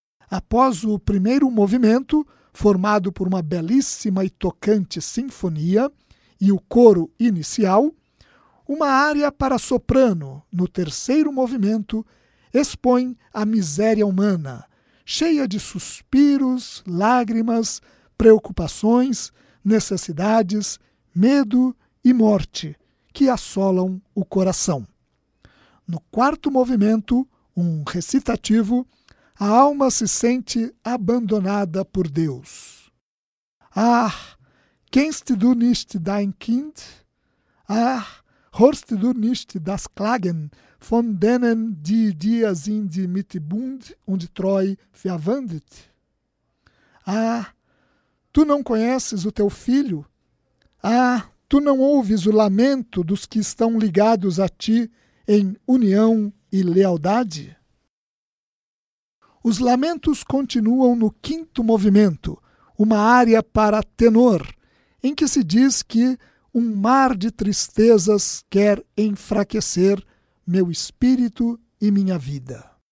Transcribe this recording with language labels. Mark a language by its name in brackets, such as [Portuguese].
[Portuguese] Após o primeiro movimento, formado por uma belíssima e tocante sinfonia e o coro inicial, uma ária para soprano, no terceiro movimento, expõe a miséria humana, cheia de suspiros, lágrimas, preocupações, necessidades, medo e morte, que assolam o coração. No quarto movimento, um recitativo, a alma se sente abandonada por Deus. [German] Ah, kennst du nicht dein Kind? Ah, hörst du nicht das Klagen von denen, die dir sind mit Bund und Treu verwandt? [Portuguese] Ah, tu não conheces o teu filho? Ah, tu não ouves o lamento dos que estão ligados a ti em união e lealdade? Os lamentos continuam no quinto movimento, uma área para tenor, em que se diz que um mar de tristezas quer enfraquecer meu espírito e minha vida.